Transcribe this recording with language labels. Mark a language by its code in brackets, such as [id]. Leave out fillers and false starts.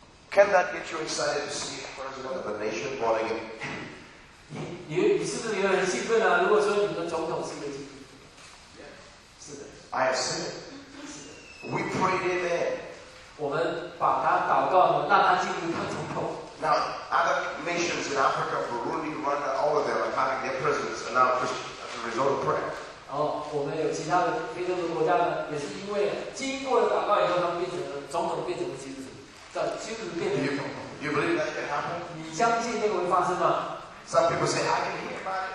[en] Can that get you excited to see a president of a nation born again? [zh] 你是不是有点兴奋啊？如果说你的总统是一个基督徒， [en] yeah. I have seen it. We prayed in there. [zh] 我们把他祷告，让他进入他总统。 [en] Now, other nations in Africa, Burundi, Rwanda, all of them are having their presidents are now Christians as a result of prayer. [zh] 我们有其他的非洲的国家呢，也是因为经过了祷告以后，他们变成了总统，变成了基督徒，叫基督徒变成总统。 [en] You believe that can happen? [zh] 你相信那个会发生吗？ [en] Some people say I can hear.